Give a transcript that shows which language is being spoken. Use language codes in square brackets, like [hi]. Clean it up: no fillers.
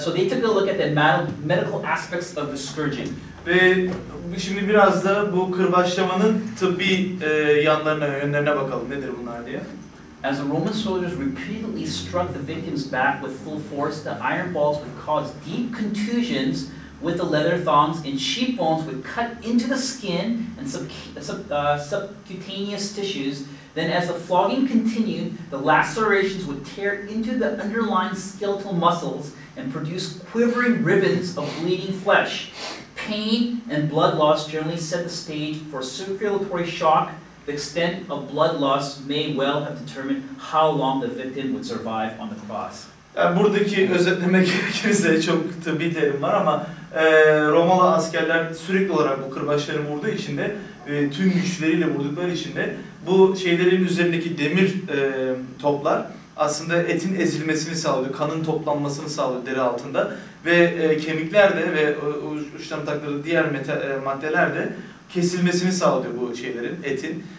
[en] So they took a look at the medical aspects of the scourging. [tr] Ve şimdi biraz da bu kırbaçlamanın tıbbi yanlarına, yönlerine bakalım. Nedir bunlar diye. [en] As the Roman soldiers repeatedly struck the victim's back with full force, the iron balls would cause deep contusions with the leather thongs, and sheep bones would cut into the skin and subcutaneous tissues. Then as the flogging continued, the lacerations would tear into the underlying skeletal muscles and produce quivering ribbons of bleeding flesh. Pain and blood loss generally set the stage for circulatory shock. The extent of blood loss may well have determined how long the victim would survive on the cross. [tr] Yani buradaki özetlemek gerekirse çok tıbbi terim var ama Romalı askerler sürekli olarak bu kırbaçları vurduğu için de tüm güçleriyle vurdukları için de bu şeylerin üzerindeki demir toplar aslında etin ezilmesini sağlıyor, kanın toplanmasını sağlıyor deri altında ve kemikler de ve uçtan takları diğer maddeler de kesilmesini sağlıyor bu şeylerin, etin.